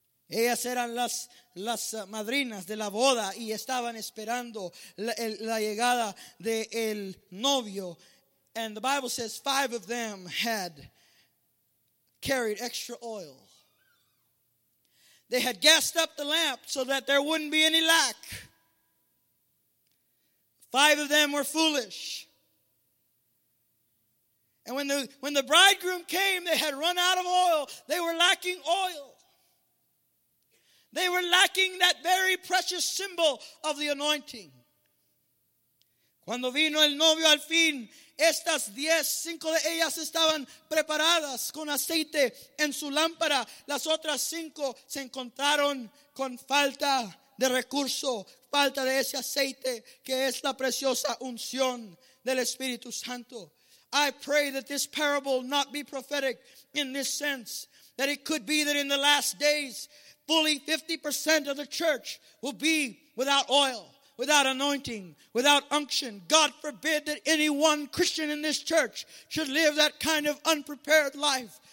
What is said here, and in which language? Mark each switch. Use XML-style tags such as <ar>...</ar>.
<es>Ellas eran las madrinas de la boda y estaban esperando la llegada del novio.</es> <en>And the Bible says 5 of them had carried extra oil. They had gassed up the lamp so that there wouldn't be any lack. 5 of them were foolish. And when the bridegroom came, they had run out of oil. They were lacking oil. They were lacking that very precious symbol of the anointing.</en> <es>Cuando vino el novio al fin, estas 10, 5 de ellas estaban preparadas con aceite en su lámpara. Las otras 5 se encontraron con falta de recurso, falta de ese aceite que es la preciosa unción del Espíritu Santo.</es> <en>I pray that this parable not be prophetic in this sense, that it could be that in the last days, fully 50% of the church will be without oil, without anointing, without unction. God forbid that any one Christian in this church should live that kind of unprepared life.</en>